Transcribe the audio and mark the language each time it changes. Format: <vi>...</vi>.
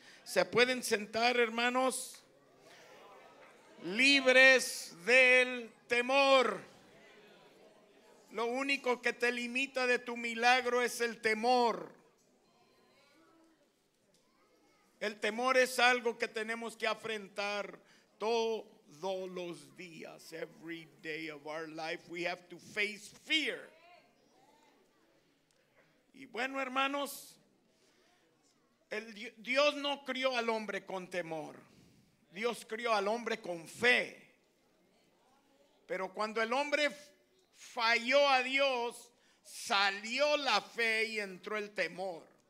<es>¿Se pueden sentar, hermanos? Libres del temor. Lo único que te limita de tu milagro es el temor. El temor es algo que tenemos que afrontar todos los días.</es> <en>Every day of our life we have to face fear.</en> <es>Y bueno, hermanos, Dios no crió al hombre con temor. Dios crió al hombre con fe. Pero cuando el hombre falló a Dios, salió la fe y entró el temor.</es>